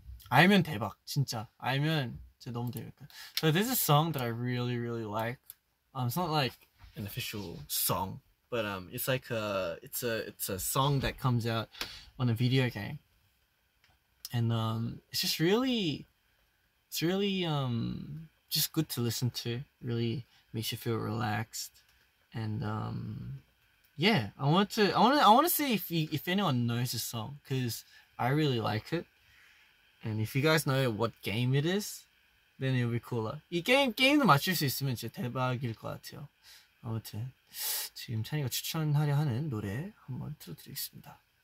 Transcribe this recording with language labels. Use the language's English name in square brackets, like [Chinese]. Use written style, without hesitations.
[Korean] 알면 대박. 진짜 알면 진짜 너무 대박. [English] So this is a song that I really really like. It's not like an official song, but it's like it's a song that comes out on a video game. And it's just really it's really just good to listen to. Really makes you feel relaxed. And I want to see if anyone knows this song, because I really like it. And if you guys know what game it is, then it'll be cooler. [Korean] 이 게임도 맞출 수 있으면 진짜 대박일 것 같아요. 아무튼 지금 찬이가 추천하려 하는 노래 한번 틀어드리겠습니다.